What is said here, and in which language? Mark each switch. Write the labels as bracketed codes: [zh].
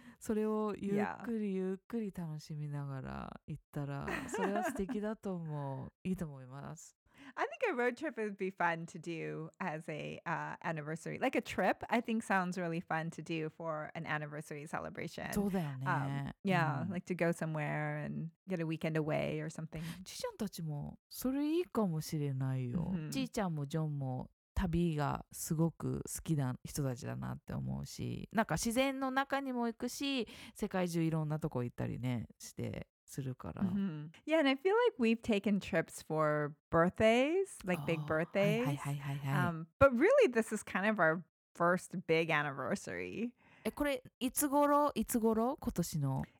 [ja] それをゆっくりゆっくり楽しみながら行ったら、それは素敵だと思う。いいと思います。 [en] I think a road trip would be fun to do as a anniversary. Like a trip, I think sounds really fun to do for an anniversary celebration. [ja] そうだよね。 [en] Like to go somewhere and get a weekend away or something. [ja] ちーちゃんたちもそれいいかもしれないよ。ちーちゃんもジョンも旅がすごく好きな人たちだなって思うし、なんか自然の中にも行くし、世界中いろんなとこ行ったりねして、するから、 [en] mm-hmm. Yeah, and I feel like we've taken trips for birthdays, like big birthdays. [ja] はいはいはいはい、 [en] But really, this is kind of our first big anniversary. [ja] え、これいつ頃、いつ頃、今年の。